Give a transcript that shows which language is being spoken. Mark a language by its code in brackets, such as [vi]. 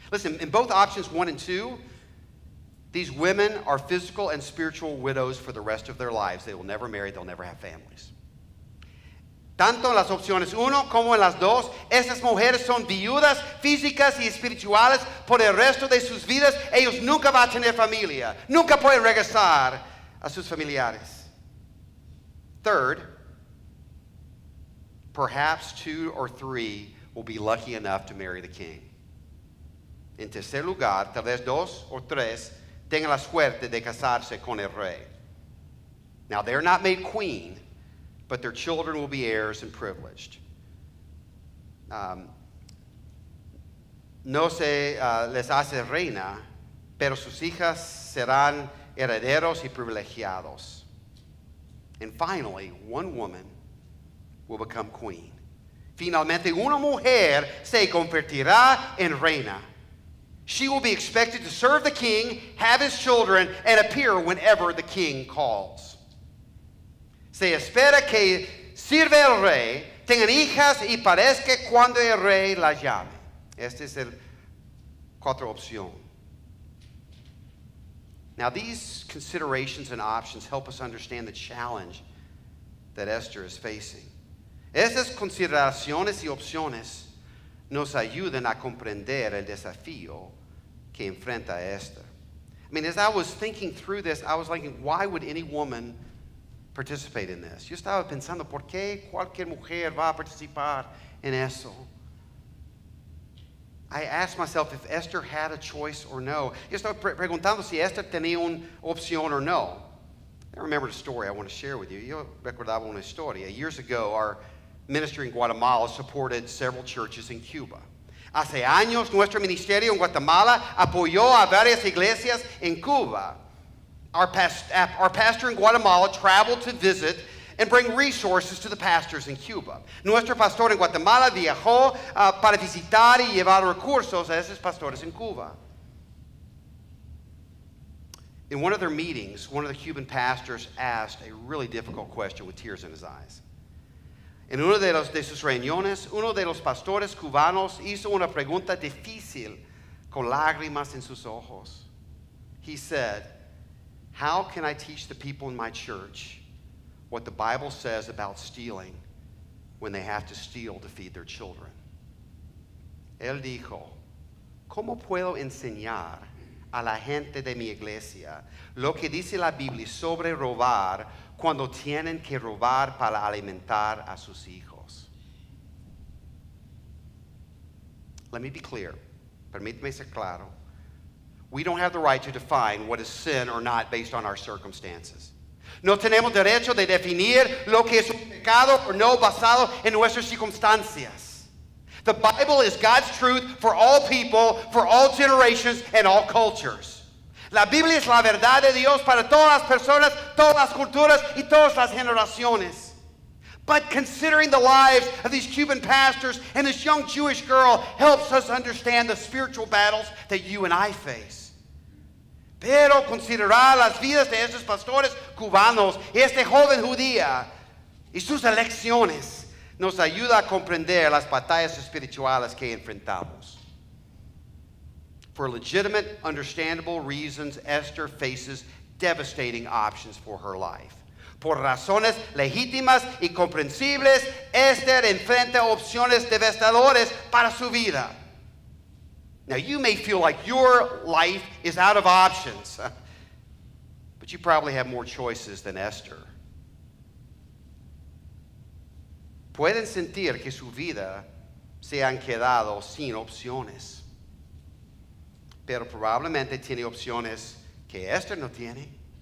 [en] Listen, in both options one and two, these women are physical and spiritual widows for the rest of their lives. They will never marry. They'll never have families. [es] Tanto en las opciones uno como en las dos, esas mujeres son viudas físicas y espirituales por el resto de sus vidas. Ellos nunca van a tener familia. Nunca pueden regresar a sus familiares. [en] Third, perhaps two or three will be lucky enough to marry the king. [es] En tercer lugar, tal vez dos o tres tengan la suerte de casarse con el rey. [en] Now, they're not made queen, but their children will be heirs and privileged. [es] No se les hace reina, pero sus hijas serán herederos y privilegiados. [en] And finally, one woman will become queen. [es] Finalmente, una mujer se convertirá en reina. [en] She will be expected to serve the king, have his children, and appear whenever the king calls. [es] Se espera que sirva el rey, tengan hijas, y parezca cuando el rey la llame. Esta es la cuatro opción. [en] Now, these considerations and options help us understand the challenge that Esther is facing. [es] Esas consideraciones y opciones nos ayudan a comprender el desafío que enfrenta Esther. [en] I mean, as I was thinking through this, I was thinking, why would any woman participate in this? [es] Yo estaba pensando, ¿por qué cualquier mujer va a participar en eso? [en] I asked myself if Esther had a choice or no. [es] Yo estaba preguntando si Esther tenía una opción o no. [en] I remember a story I want to share with you. [es] Yo recordaba una historia. [en] Years ago, our ministry in Guatemala supported several churches in Cuba. [es] Hace años, nuestro ministerio en Guatemala apoyó a varias iglesias en Cuba. [en] Our pastor in Guatemala traveled to visit and bring resources to the pastors in Cuba. [es] Nuestro pastor en Guatemala viajó para visitar y llevar recursos a esos pastores en Cuba. [en] In one of their meetings, one of the Cuban pastors asked a really difficult question with tears in his eyes. [es] En una de sus reuniones, uno de los pastores cubanos hizo una pregunta difícil con lágrimas en sus ojos. [en] He said, How can I teach the people in my church what the Bible says about stealing when they have to steal to feed their children? [es] Él dijo, ¿cómo puedo enseñar a la gente de mi iglesia lo que dice la Biblia sobre robar cuando tienen que robar para alimentar a sus hijos? [en] Let me be clear. [es] Permíteme ser claro. [en] We don't have the right to define what is sin or not based on our circumstances. [es] No tenemos derecho de definir lo que es un pecado o no basado en nuestras circunstancias. [en] The Bible is God's truth for all people, for all generations, and all cultures. [es] La Biblia es la verdad de Dios para todas las personas, todas las culturas, y todas las generaciones. [en] But considering the lives of these Cuban pastors and this young Jewish girl helps us understand the spiritual battles that you and I face. [es] Pero considerar las vidas de estos pastores cubanos y este joven judía y sus elecciones nos ayuda a comprender las batallas espirituales que enfrentamos. [en] For legitimate, understandable reasons, Esther faces devastating options for her life. [es] Por razones legítimas y comprensibles, Esther enfrenta opciones devastadoras para su vida. [en] Now you may feel like your life is out of options, but you probably have more choices than Esther. [es] Pueden sentir que su vida se han quedado sin opciones, pero probablemente tiene opciones que Esther no tiene.